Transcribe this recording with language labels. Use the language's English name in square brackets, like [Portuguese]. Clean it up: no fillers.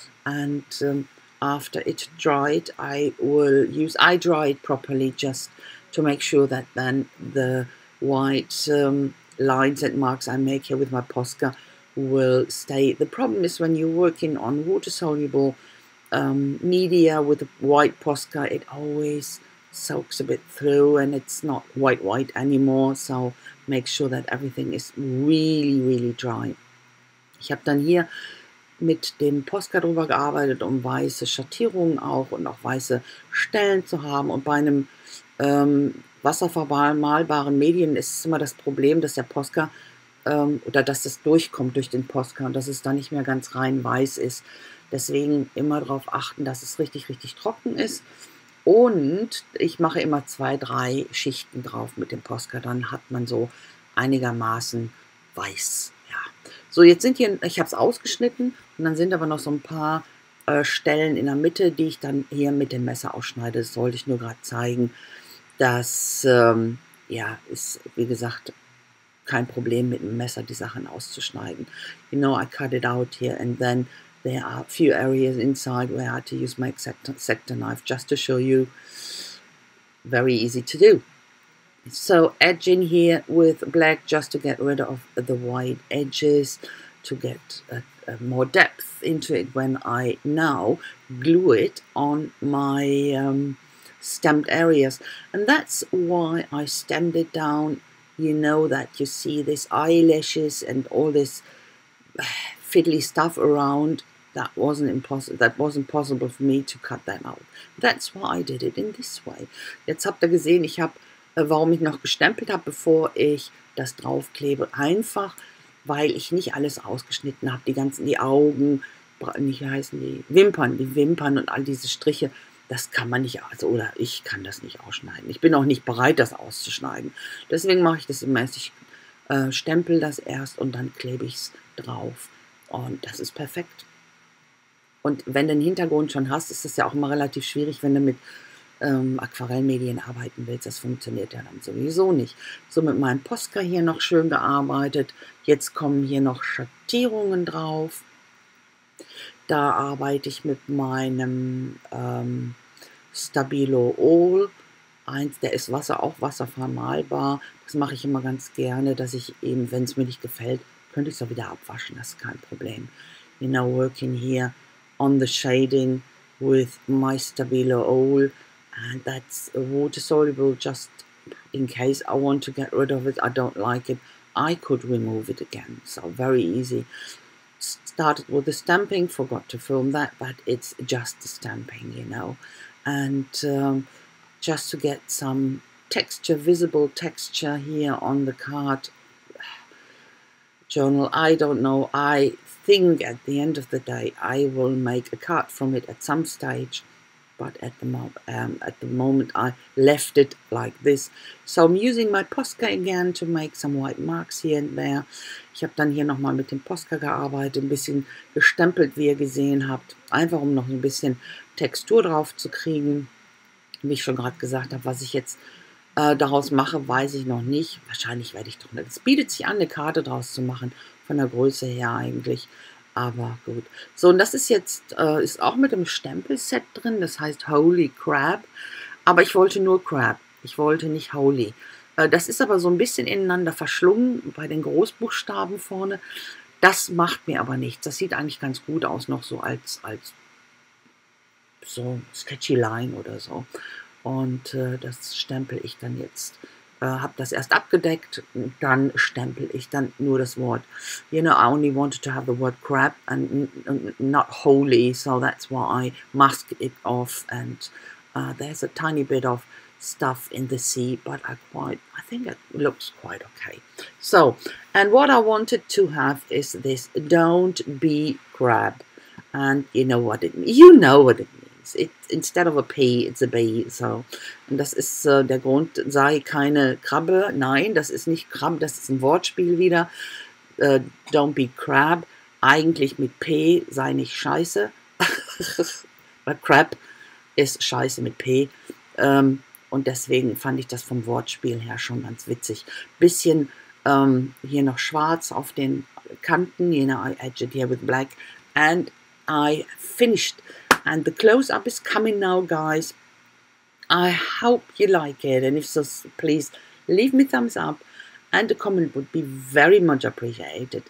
[English] And after it dried, I will use, I dry it properly just to make sure that then the white lines and marks I make here with my Posca will stay. The problem is when you're working on water-soluble media with a white Posca, it always soaks a bit through and it's not white anymore. So make sure that everything is really, really dry. [German] Ich habe dann hier mit dem Posca drüber gearbeitet, um weiße Schattierungen auch und auch weiße Stellen zu haben. Und bei einem wasserverwalmalbaren Medien ist immer das Problem, dass der Posca oder dass das durchkommt durch den Posca und dass es dann nicht mehr ganz rein weiß ist. Deswegen immer darauf achten, dass es richtig, richtig trocken ist. Und ich mache immer 2-3 Schichten drauf mit dem Posca. Dann hat man so einigermaßen weiß. Ja. So, jetzt sind hier, ich habe es ausgeschnitten und dann sind aber noch so ein paar Stellen in der Mitte, die ich dann hier mit dem Messer ausschneide. Das sollte ich nur gerade zeigen. Das ist, wie gesagt, kein Problem, mit dem Messer die Sachen auszuschneiden. [English] You know, I cut it out here and then there are a few areas inside where I had to use my X-Acto knife just to show you. Very easy to do. So edge in here with black just to get rid of the wide edges, to get more depth into it when I now glue it on my stamped areas. And that's why I stamped it down. You know that you see this eyelashes and all this fiddly stuff around. That wasn't impossible. That wasn't possible for me to cut that out. That's why I did it in this way. [German] Jetzt habt ihr gesehen, ich habe, warum ich noch gestempelt habe, bevor ich das draufklebe. Einfach, weil ich nicht alles ausgeschnitten habe. Die ganzen, die Augen, nicht heißen die Wimpern, und all diese Striche. Das kann man nicht, also, oder ich kann das nicht ausschneiden. Ich bin auch nicht bereit, das auszuschneiden. Deswegen mache ich das immer, ich stempel das erst und dann klebe ich es drauf. Und das ist perfekt. Und wenn du einen Hintergrund schon hast, ist das ja auch immer relativ schwierig, wenn du mit Aquarellmedien arbeiten willst. Das funktioniert ja dann sowieso nicht. So, mit meinem Posca hier noch schön gearbeitet. Jetzt kommen hier noch Schattierungen drauf. Da arbeite ich mit meinem Stabilo All. Eins, der ist wasservermalbar. Das mache ich immer ganz gerne, dass ich eben, wenn es mir nicht gefällt, könnte ich es auch wieder abwaschen. Das ist kein Problem. [English] You know, working here on the shading with my Stabilo All. And that's water soluble, just in case I want to get rid of it, I don't like it, I could remove it again. So very easy. Started with the stamping, forgot to film that, but it's just the stamping, you know. And just to get some texture, visible texture here on the card journal, I don't know. I think at the end of the day, I will make a card from it at some stage. But at the moment, I left it like this. So I'm using my Posca again to make some white marks here and there. [German] Ich habe dann hier nochmal mit dem Posca gearbeitet, ein bisschen gestempelt, wie ihr gesehen habt. Einfach, um noch ein bisschen Textur drauf zu kriegen. Wie ich schon gerade gesagt habe, was ich jetzt daraus mache, weiß ich noch nicht. Wahrscheinlich werde ich doch nicht. Es bietet sich an, eine Karte draus zu machen, von der Größe her eigentlich. Aber gut. So, und das ist jetzt ist auch mit dem Stempelset drin. Das heißt Holy Crab. Aber ich wollte nur Crab. Ich wollte nicht Holy. Das ist aber so ein bisschen ineinander verschlungen bei den Großbuchstaben vorne. Das macht mir aber nichts. Das sieht eigentlich ganz gut aus, noch so als so [English] sketchy line [German] oder so. Und das stempel ich dann jetzt. Habe das erst abgedeckt, dann stempel ich dann nur das Wort. [English] You know, I only wanted to have the word crab and not holy, so that's why I mask it off. And there's a tiny bit of stuff in the sea, but I think it looks quite okay. So, and what I wanted to have is this don't be crab. And you know what it means. You know what it means. It, instead of a P, it's a B. [German] So, und das ist der Grund, sei keine Krabbe. Nein, das ist nicht Krabbe, das ist ein Wortspiel wieder. [English] Don't be crab. [German] Eigentlich mit P, sei nicht scheiße. Weil crab ist scheiße mit P. Und deswegen fand ich das vom Wortspiel her schon ganz witzig. Bisschen hier noch schwarz auf den Kanten. [English] You know, I edge it here with black. And I finished. And the close-up is coming now, guys. I hope you like it. And if so, please leave me thumbs up. And a comment would be very much appreciated.